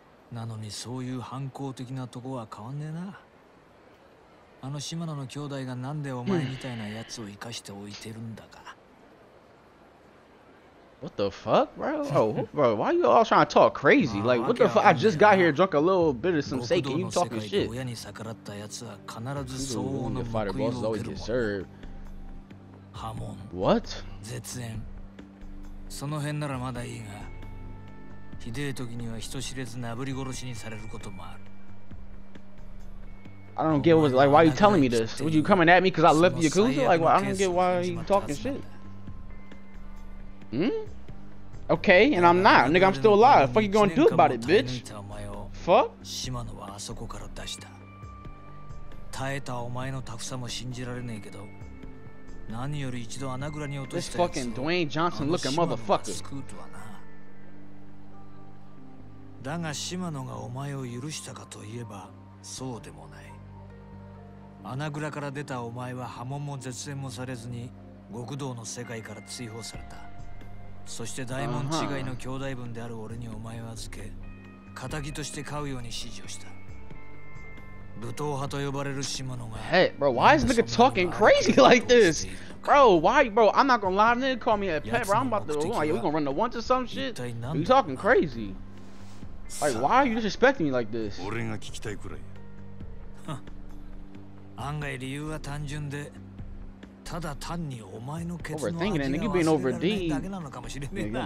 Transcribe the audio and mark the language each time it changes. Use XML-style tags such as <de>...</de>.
<ja>なのにそういう反抗的なとこは変わんねえな。あの島野の兄弟がなんでお前みたいなやつを生かしておいてるんだか。</ja> <en>What the fuck, bro? Bro, why you all trying to talk crazy? Like, what the fuck? I just got here, drunk a little bit of some sake, and you talking shit. You don't know the fighter boss always deserve.</en> <ja>Hamon.</ja> <en>What?</en> <ja>絶縁。その辺ならまだいいが、ひでえ時には人知れず殴り殺しにされることもある。</ja> <en>I don't get what, like, why you telling me this? Would you coming at me because I left the Yakuza? Like, well, I don't get why you talking shit. Okay, and I'm not. Nigga, I'm still alive. Fuck you gonna do about it, bitch? Fuck? This fucking Dwayne Johnson looking motherfucker.</en> <ja>だが島野がお前を許したかといえばそうでもない。穴蔵から出たお前は波紋も絶縁もされずに極道の世界から追放された。そして大門違いの兄弟分である俺にお前を預け、仇として飼うように指示をした。武闘派と呼ばれる島野が、</ja> <en>Hey bro, why is nigga talking crazy like this? Bro, why? Bro, I'm not gonna lie, nigga call me a pet, bro. I'm about to, oh, we gonna run the once or some shit. You talking crazy? Like, why are you disrespecting me like this?</en> <ja>俺が聞きたいくらい。案外理由は単純で、ただ単にお前のケツの味が忘れられないだけなのかもしれないな。</ja>